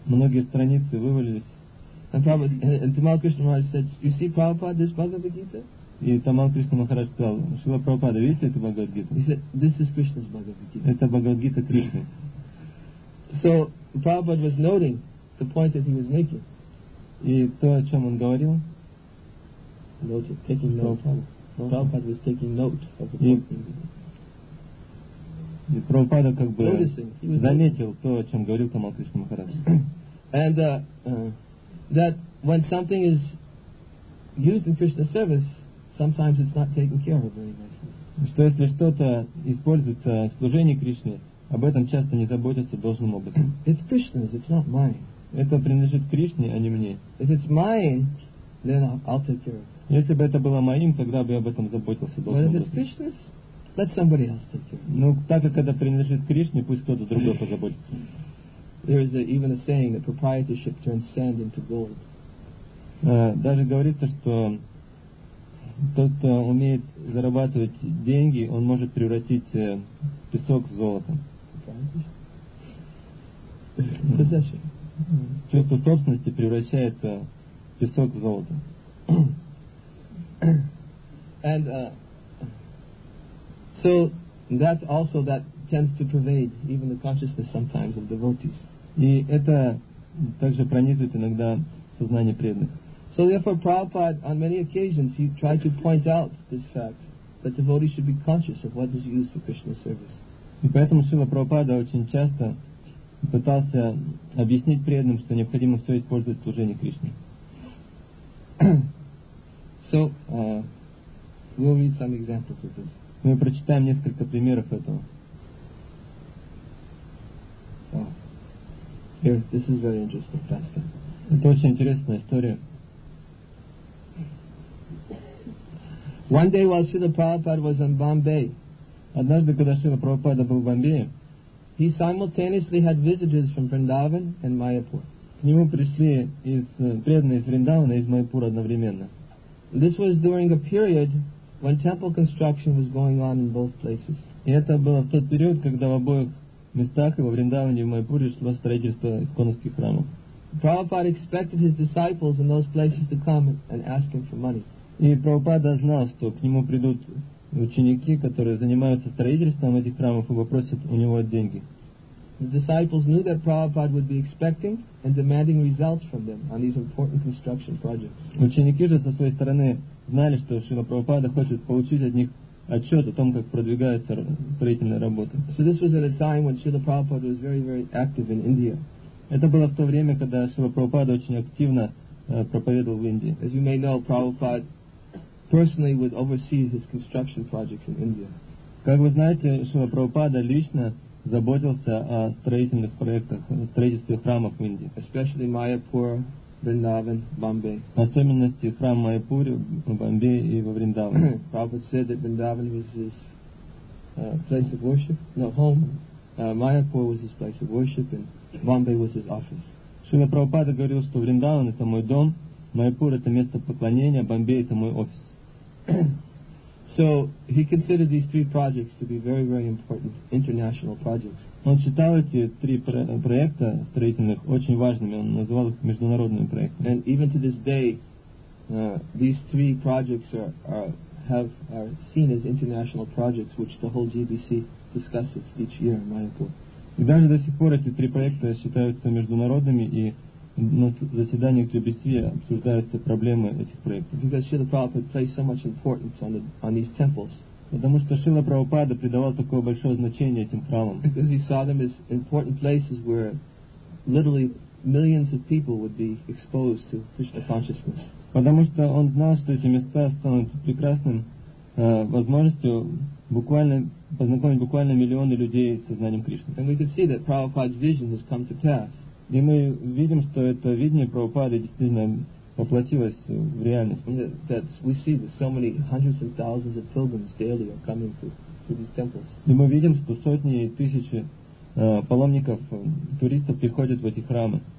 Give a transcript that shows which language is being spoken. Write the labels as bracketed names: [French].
[Russian] Многие страницы вывалились. [English] And Tamal Krishna Maharaj said, "You see, Prabhupada, this Bhagavad-gita?" [Russian] И Тамал Кришна Махарадж сказал, Шрила Прабхупада, видите эту Бхагавад-гиту? [English] He said, "This is Krishna's Bhagavad-gita." [Russian] Это Бхагавад-гита Кришны. [English] So Prabhupada was noting the point that he was making. [Russian] И то, о чем он говорил? [English] Prabhupada was taking note of the point. [Russian] И Прабхупада как бы заметил то, о чем говорил Тамал Кришна Махарадж. [English] And that when something is used in Krishna service, sometimes it's not taken care of very nicely. [Russian] Что если что-то используется в служении Кришне, об этом часто не заботятся должным образом. [English] It's Krishna's, it's not mine. [Russian] Это принадлежит Кришне, а не мне. [English] If it's mine, then I'll take care of it. [Russian] Если бы это было моим, тогда бы я об этом заботился должным образом. [English] But if it's Krishna's, let somebody else take care of it. [Russian] Ну, так как это принадлежит Кришне, пусть кто-то другой позаботится. [English] There is even a saying that proprietorship turns sand into gold. [Russian] Даже говорится, что тот, кто умеет зарабатывать деньги, он может превратить песок в золото. [English] Possession. [Russian] Чувство собственности превращает песок в золото. [English] And so that also that tends to pervade even the consciousness sometimes of devotees. [Russian] И это также пронизывает иногда сознание преданных. [English] So therefore, Prabhupada, on many occasions, he tried to point out this fact that devotees should be conscious of what is used for Krishna's service. [Russian] И поэтому Шрила Прабхупада очень часто пытался объяснить преданным, что необходимо все использовать в служении Кришне. [English] So we'll read some examples of this. [Russian] Мы прочитаем несколько примеров этого. [English] Here, this is very interesting, Pastor. [Russian] Это очень интересная история. [English] One day while Srila Prabhupada was in Bombay, [Russian] однажды, когда Шрила Прабхупада был в Бомбее, [English] he simultaneously had visitors from Vrindavan and Mayapur. [Russian] К нему пришли из преданные из Вриндавана и из Майпура одновременно. [English] This was during a period when temple construction was going on in both places. [Russian] И это было в тот период, когда в обоих местах и во Вриндаване и в Майпуре шло строительство исконских храмов. [English] Prabhupada expected his disciples in those places to come and ask him for money. [Russian] И Прабхупада знал, что к нему придут ученики, которые занимаются строительством этих храмов и попросят у него деньги. [English] The disciples knew that Prabhupada would be expecting and demanding results from them on these important construction projects. [Russian] Ученики же со своей стороны знали, что Шрила Прабхупада хочет получить от них отчет о том, как продвигаются строительные работы. [English] So this was at a time when Srila Prabhupada was very, very active in India. [Russian] Это было в то время, когда Шрила Прабхупада очень активно проповедовал в Индии. [English] As you may know, Prabhupada personally would oversee his construction projects in India. [Russian] Как вы знаете, Шрила Прабхупада лично заботился о строительных проектах, о строительстве храмов в Индии. [English] Especially Mayapur, Vrindavan, Bombay. [Russian] В особенности храм Майпури, Бомбей и во Вриндаване. [English] Prabhupada said that Vrindavan was his place of worship. No, home. Mayapur was his place of worship and Bombay was his office. [Russian] Шрила Прабхупада говорил, что Вриндаван это мой дом, Майпур это место поклонения, Бомбей это мой офис. [English] So he considered these three projects to be very, very important international projects. [Russian] Он считал эти три проекта строительных очень важными. Он называл их международными проектами. [English] And even to this day, these three projects are seen as international projects, which the whole GBC discusses each year in Mayapur. [Russian] И даже до сих пор эти три проекта считаются международными, и на заседаниях GBC обсуждаются проблемы этих проектов. [English] Because Srila Prabhupada placed so much importance on these temples. [Russian] Потому что Шрила Прабхупада придавал такое большое значение этим храмам. [English] Because he saw them as important places where literally millions of people would be exposed to Krishna consciousness. [Russian] Потому что он знал, что эти места станут прекрасным возможностью буквально познакомить буквально миллионы людей со знанием Кришны. [English] And we can see that Prabhupada's vision has come to pass. [Russian] И мы видим, что это видение Прабхупады действительно воплотилось в реальность. [English] We see that so many hundreds and thousands of pilgrims daily are coming to these temples. [Russian] И мы видим, что сотни и тысячи паломников, туристов приходят в эти храмы.